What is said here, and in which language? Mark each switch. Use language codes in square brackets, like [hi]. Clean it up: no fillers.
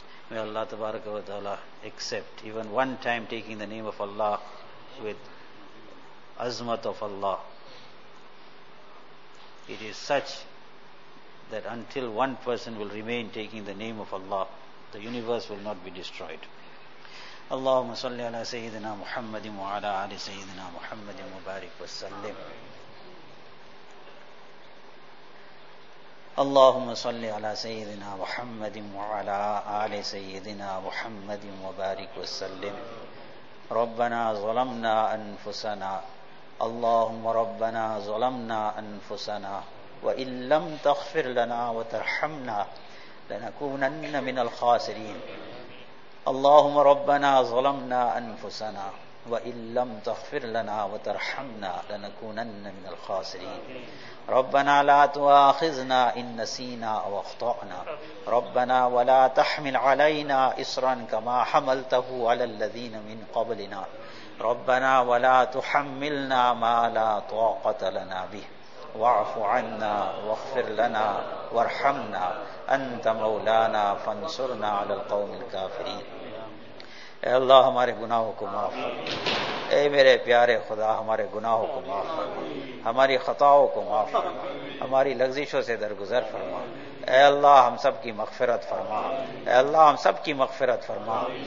[en] May Allah Tabaraka wa Ta'ala accept even one time taking the name of Allah with azmat of Allah. It is such that until one person will remain taking the name of Allah, the universe will not be destroyed. [ar] اللهم صل على سيدنا محمد وعلى آل سيدنا محمد مبارك وسلم. اللهم صل على سيدنا محمد وعلى آل سيدنا محمد مبارك وسلم. ربنا ظلمنا أنفسنا، اللهم ربنا ظلمنا أنفسنا وإن لم تغفر لنا وترحمنا لنكونن من الخاسرين. اللهم ربنا ظلمنا أنفسنا وإن لم تغفر لنا وترحمنا لنكونن من الخاسرين. ربنا لا تؤاخذنا إن نسينا أو أخطأنا. ربنا ولا تحمل علينا إصرا كما حملته على الذين من قبلنا. ربنا ولا تحملنا ما لا طاقة لنا به، واعف عنا واغفر لنا وارحمنا، أنت مولانا فانصرنا على القوم الكافرين. [ur] اے اللہ ہمارے گناہوں کو معاف فرما، اے میرے پیارے خدا ہمارے گناہوں کو معاف فرما، ہماری خطاؤں کو معاف فرما، ہماری لغزشوں سے درگزر فرما. اے اللہ ہم سب کی مغفرت فرما، اے اللہ ہم سب کی مغفرت فرما.